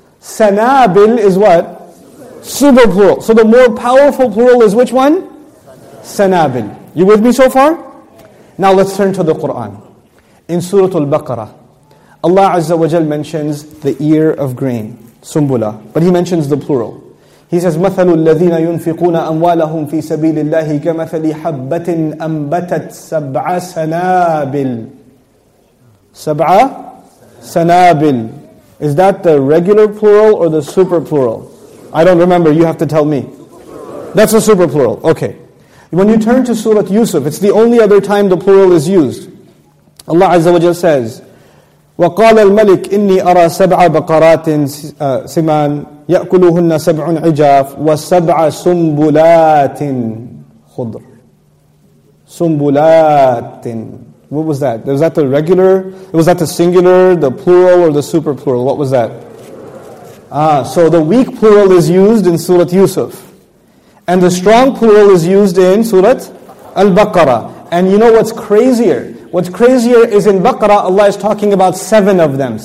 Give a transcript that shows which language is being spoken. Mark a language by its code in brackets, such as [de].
[en] Sanabil is what? Super plural. So the more powerful plural is which one? Sanabil. You with me so far? Now let's turn to the Quran. In Surah Al-Baqarah, Allah Azza wa Jal mentions the ear of grain, Sumbula. But He mentions the plural. He says, [ar] مَثَلُ الَّذِينَ يُنْفِقُونَ أَمْوَالَهُمْ فِي سَبِيلِ اللَّهِ كَمَثَلِ حَبَّةٍ أَنْبَتَتْ سَبْعَ سَنَابِلْ. سَبْعَ سَنَابِلْ. [en] Is that the regular plural or the super plural? I don't remember, you have to tell me. That's a super plural, okay. When you turn to Surah Yusuf, it's the only other time the plural is used. Allah Azza wa Jalla says, [ar] وَقَالَ الْمَلِكِ إِنِّي أَرَى سَبْعَ بَقَرَاتٍ سِمَانٍ يَأْكُلُهُنَّ سَبْعٌ عِجَافٍ وَسَبْعَ سُنْبُلَاتٍ خُضْرٍ سُنْبُلَاتٍ. [en] What was that? Was that the regular? Was that the singular, the plural, or the super plural? What was that? So the weak plural is used in Surah Yusuf. And the strong plural is used in Surah Al-Baqarah. And you know what's crazier? What's crazier is in Baqarah, Allah is talking about seven of them.